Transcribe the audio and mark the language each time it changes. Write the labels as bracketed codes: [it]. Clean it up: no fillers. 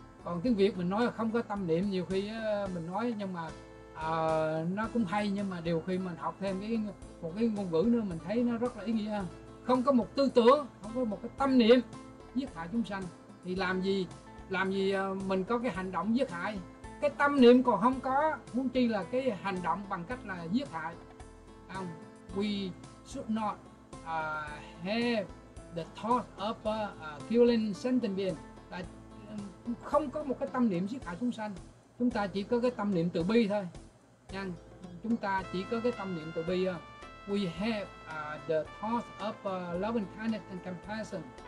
[vi] Còn tiếng Việt mình nói không có tâm niệm, nhiều khi mình nói nhưng mà nó cũng hay, nhưng mà điều khi mình học thêm một cái ngôn ngữ nữa mình thấy nó rất là ý nghĩa. Không có một tư tưởng, không có một cái tâm niệm giết hại chúng sanh thì làm gì? Làm gì mình có cái hành động giết hại? Cái tâm niệm còn không có, huống chi là cái hành động bằng cách là giết hại. [en] We should not have the thought of killing sentient being. [vi] Là không có một cái tâm niệm giết hại chúng sanh. Chúng ta chỉ có cái tâm niệm từ bi thôi. Chúng ta chỉ có cái tâm niệm từ bi. [en] We have the thought of loving kindness and compassion.